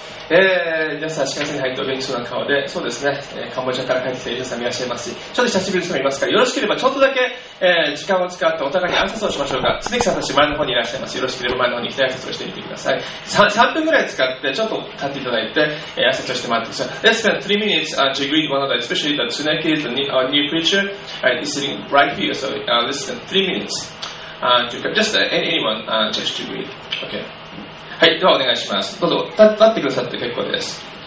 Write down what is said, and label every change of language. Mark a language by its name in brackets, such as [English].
[Japanese] 皆さん4月に入ってお元気そうな顔で、そうですね、カンボジアから帰ってきているゆうさんもいらっしゃいますし、ちょっと久しぶりの人もいますから、よろしければちょっとだけ時間を使ってお互いに挨拶をしましょうか。常木さんたち前の方にいらっしゃいます。よろしければ前の方に来て挨拶をしてみてください。 3分ぐらい使ってちょっと立っていただいて挨拶をしてもらってください。 [English] Let's spend 3 minutes to greet one another, especially the Tsuneki is a new preacher and is sitting right here. So let's spend 3 minutes to greet just anyone just to greet. Okay. [Japanese] はい、ではお願いします。どうぞ立ってくださって結構です。